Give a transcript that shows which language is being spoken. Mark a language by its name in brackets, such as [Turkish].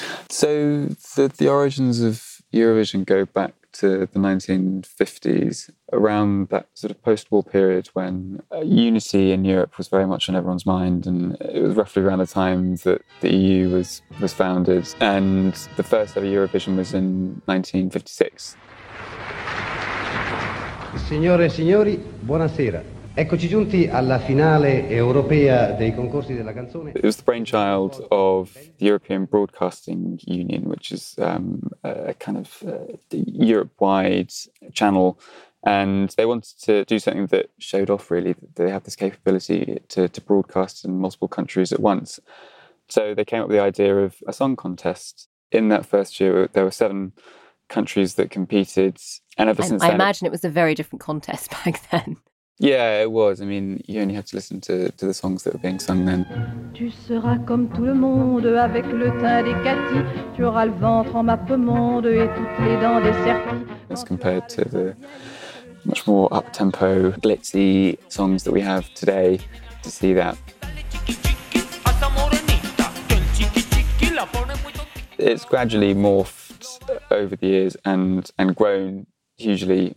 [English] So the origins of Eurovision go back to the 1950s, around that sort of post-war period when unity in Europe was very much on everyone's mind. And it was roughly around the time that the EU was founded. And the first ever Eurovision was in 1956. [Italian] Signore e signori, buonasera. Eccoci giunti alla finale europea dei concorsi della canzone. [English] It was the brainchild of the European Broadcasting Union, which is a kind of Europe-wide channel. And they wanted to do something that showed off, really, that they have this capability to broadcast in multiple countries at once. So they came up with the idea of a song contest. In that first year, there were 7 countries that competed. And ever since then, I imagine it was a very different contest back then. Yeah, it was. I mean, you only had to listen to the songs that were being sung then. [French] Tu seras comme tout le monde avec le teint des Cathy. Tu auras le ventre en mappemonde et toutes les dents des serpents. [English] As compared to the much more up-tempo, glitzy songs that we have today, to see that. It's gradually morphed over the years and grown hugely.